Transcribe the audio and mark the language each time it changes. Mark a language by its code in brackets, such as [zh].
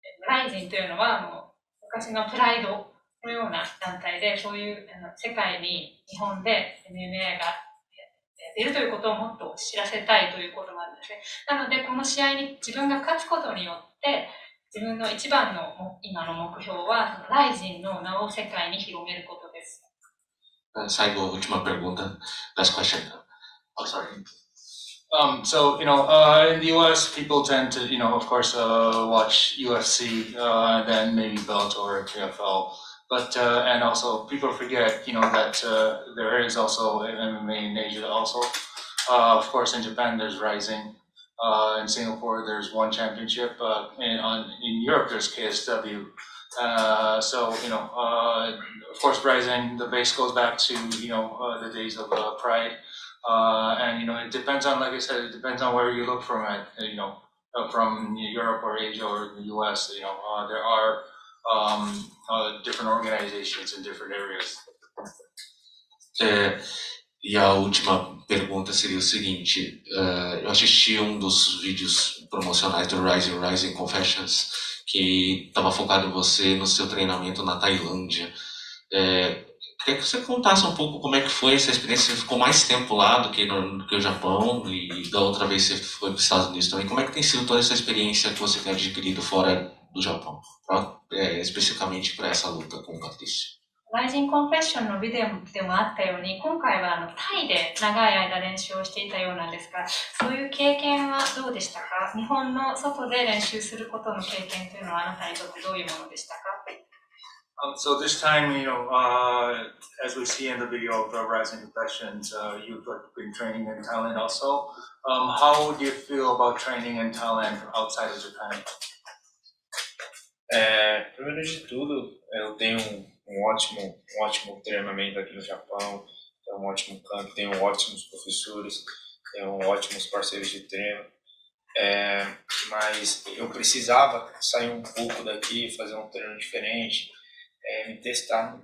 [ja] ライジンというのはもう昔のプライド、 のような団体で、そういうあの世界に日本でMMAが出るということをもっと知らせたいということなんですね。なので、この試合に自分が勝つことによって、自分の一番の今の目標は、ライジンの名を世界に広めることです。最後、 [pt] última pergunta. [en] Last question. Oh, sorry. So, you know, in the US, people tend to, you know, of course, watch UFC, then maybe Bellator or KFL. But, and also people forget, you know, that there is also MMA in Asia also. Of course, in Japan, there's Rizin. In Singapore, there's one championship. In Europe, there's KSW. So, you know, of course, Rizin, the base goes back to, you know, the days of Pride. And, you know, it depends on, like I said, it depends on where you look from it, you know, from Europe or Asia or the US, you know, there are different organizations in different areas. [pt] E a última pergunta seria o seguinte, eu assisti um dos vídeos promocionais do Rizin Confessions, que estava focado em você no seu treinamento na Tailândia. Queria que você contasse um pouco como é que foi essa experiência, você ficou mais tempo lá do que no Japão e da outra vez você foi para os Estados Unidos também. Como é que tem sido toda essa experiência que você tem adquirido fora do Japão, especificamente para essa luta com o Patrício? [ja] Rizin Confession のビデオでもあったように、今回はタイで長い間練習をしていたようなんですが、そういう経験はどうでしたか？日本の外で練習することの経験というのはあなたにとってどういうものでしたか？ [en] So this time, you know, as we see in the video of the rising professions, you've been training in Thailand also. How do you feel about training in Thailand outside of Japan? [pt] Primeiro de tudo, eu tenho um ótimo treinamento aqui no Japão, é um ótimo campo, tenho ótimos professores, tenho ótimos parceiros de treino. Mas eu precisava sair um pouco daqui, fazer um treino diferente, me testar.